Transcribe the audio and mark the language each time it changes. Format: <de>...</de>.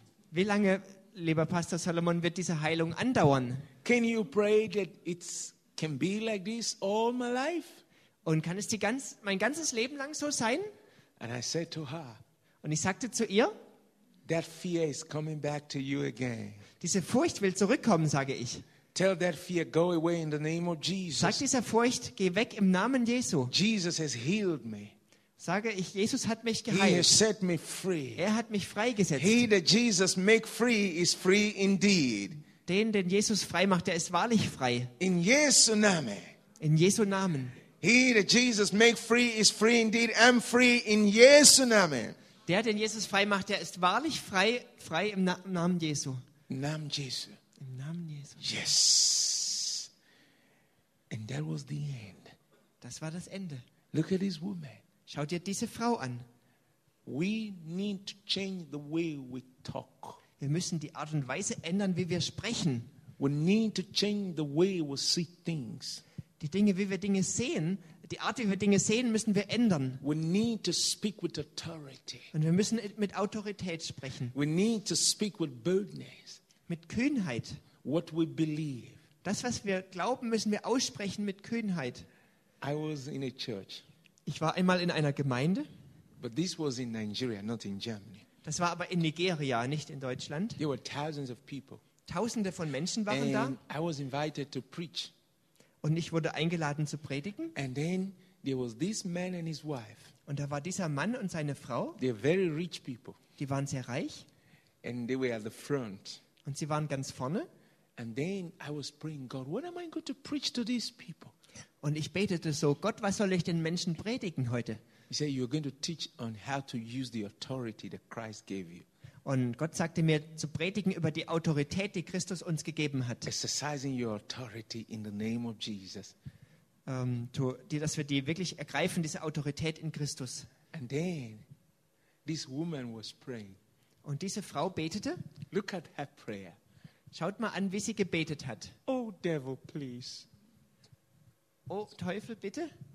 <de>Wie lange, lieber Pastor Salomon, wird diese Heilung andauern?</de> <en>Can you pray that it can be like this all my life?</en> <de>Und kann es mein ganzes Leben lang so sein?</de> <en>And I said to her.</en> <de>Und ich sagte zu ihr.</de> <en>That fear is coming back to you again.</en> <de>Diese Furcht will zurückkommen, sage ich.</de> <en>Tell that fear, go away in the name of Jesus.</en> <de>Sag dieser Furcht, geh weg im Namen Jesu.</de> <en>Jesus has healed me.</en> <de>Sage ich, Jesus hat mich geheilt.</de> <en>He has set me free.</en> <de>Er hat mich freigesetzt.</de> <en>He that Jesus make free is free indeed.</en> <de>Den Jesus frei macht, der ist wahrlich frei. In Jesu Namen. In Jesu Namen.</de> <en>He that Jesus make free is free indeed. I'm free in</en> <de>Jesu Namen. Der, den Jesus frei macht, der ist wahrlich frei, frei im Namen Jesu. Im Namen Jesu. Im Namen Jesu.</de> <en>Yes. And that was the end.</en> <de>Das war das Ende.</de> <en>Look at this woman.</en> <de>Schau dir diese Frau an.</de> <en>We need to change the way we talk.</en> <de>Wir müssen die Art und Weise ändern, wie wir sprechen.</de> <en>We need to change the way we see things.</en> <de>Die Dinge, wie wir Dinge sehen. Die Art, wie wir Dinge sehen, müssen wir ändern.</de> <en>We need to speak with authority.</en> <de>Und wir müssen mit Autorität sprechen.</de> <en>We need to speak with boldness.</en> <de>Mit Kühnheit.</de> <en>What we believe.</en> <de>Das, was wir glauben, müssen wir aussprechen mit Kühnheit.</de> <en>I was in a church.</en> <de>Ich war einmal in einer Gemeinde.</de> <en>But this was in Nigeria, not in Germany.</en> <de>Das war aber in Nigeria, nicht in Deutschland.</de> <en>There were thousands of people.</en> <de>Tausende von Menschen waren</de> <en>And</en> <de>da.</de> <en>I was invited to preach.</en> <de>Und ich wurde eingeladen zu predigen.</de> <en>And then there was this man and his wife.</en> <de>Und da war dieser Mann und seine Frau.</de> <en>They were very rich people.</en> <de>Die waren sehr reich.</de> <en>And they were at the front.</en> <de>Und sie waren ganz vorne.</de> <en>And then I was praying, God, what am I going to preach to these people?</en> <de>Und ich betete so, Gott, was soll ich den Menschen predigen heute?</de> <en>He said, you're going to teach on how to use the authority that Christ gave you.</en> <de>Und Gott sagte mir, zu predigen über die Autorität, die Christus uns gegeben hat.</de> <en>Exercising your authority in the name of Jesus.</en> <de>Dass wir die wirklich ergreifen, diese Autorität in Christus.</de> <en>And then, this woman was praying.</en> <de>Und diese Frau betete.</de> <en>Look at her prayer.</en> <de>Schaut mal an, wie sie gebetet hat.</de> <en>Oh, devil, please.</en> <de>Oh, Teufel, bitte.</de>